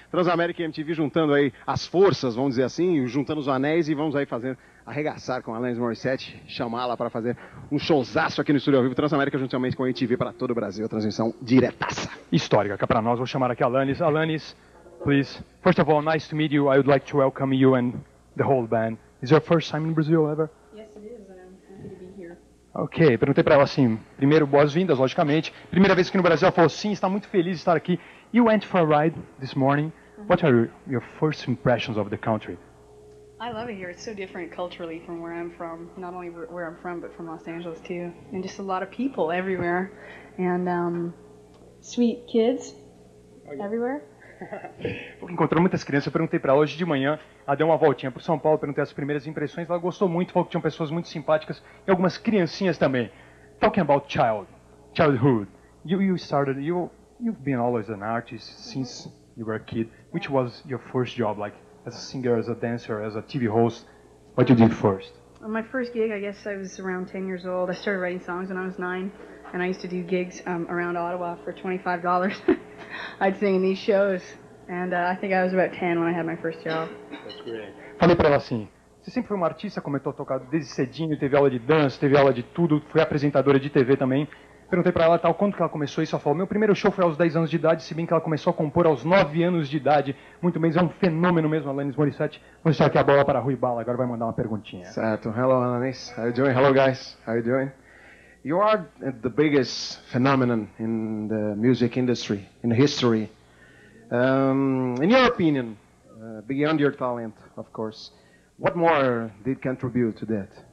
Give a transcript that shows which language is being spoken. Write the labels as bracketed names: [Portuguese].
[Portuguese] Transamérica e MTV juntando aí as forças, vamos dizer assim, juntando os anéis e vamos aí fazer, arregaçar com a Alanis Morissette, chamá-la para fazer um showzaço aqui no Estúdio ao Vivo Transamérica, juntamente com a MTV para todo o Brasil, a transmissão diretaça. Histórica, cá para nós, vou chamar aqui a Alanis. [English] Alanis, please. First of all, nice to meet you. I would like to welcome you and the whole band. Is your first time in Brazil ever? Yes, it is. I'm happy to be here. [Portuguese] Okay, perguntei para ela assim, primeiro, boas-vindas, logicamente. Primeira vez aqui no Brasil, ela falou sim, está muito feliz de estar aqui. [English] You went for a ride this morning. Uh-huh. What are your first impressions of the country? I love it here. It's so different culturally from where I'm from. Not only where I'm from, but from Los Angeles too. And just a lot of people everywhere. And sweet kids everywhere. [Portuguese] Encontrou muitas crianças, eu perguntei para ela hoje de manhã, ela deu uma voltinha para São Paulo, perguntei as primeiras impressões, ela gostou muito, falou que tinham pessoas muito simpáticas e algumas criancinhas também. [English] Talking about childhood, you've been always an artist since you were a kid. Which was your first job, like as a singer, as a dancer, as a TV host? What you did first? Well, my first gig, I guess I was around 10 years old. I started writing songs when I was 9. And I used to do gigs around Ottawa for $25. I'd sing in these shows. And I think I was about 10 when I had my first job. That's great. [Portuguese] Falei pra ela assim, você sempre foi uma artista, começou a tocar desde cedinho, teve aula de dança, teve aula de tudo, foi apresentadora de TV também. Perguntei pra ela tal, quando que ela começou isso, ela falou, meu primeiro show foi aos 10 anos de idade, se bem que ela começou a compor aos 9 anos de idade. Muito bem, é um fenômeno mesmo, Alanis Morissette. Vou deixar aqui a bola para Rui Bala, agora vai mandar uma perguntinha. [English] Certo. Hello, Alanis. How are you doing? Hello, guys. How are you doing? You are the biggest phenomenon in the music industry, in history. In your opinion, beyond your talent, of course, what more did contribute to that?